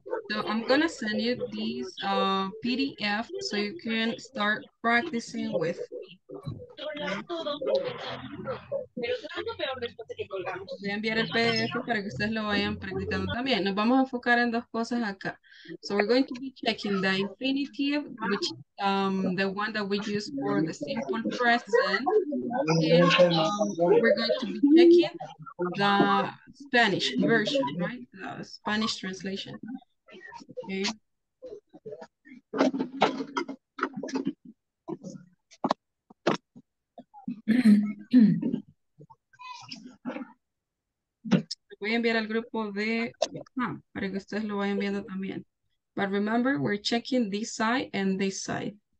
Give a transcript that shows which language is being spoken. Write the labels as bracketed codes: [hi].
[en] So I'm gonna send you this PDF so you can start practicing with me. [es] Voy a enviar el PDF para que ustedes lo vayan practicando también. Nos vamos a enfocar en dos cosas acá. [en] So we're going to be checking the infinitive, which is the one that we use for the simple present. And we're going to be checking the Spanish version, right? The Spanish translation. Okay. [es] Voy a enviar al grupo de para que ustedes lo vayan viendo también. [en] But remember, we're checking this side and this side.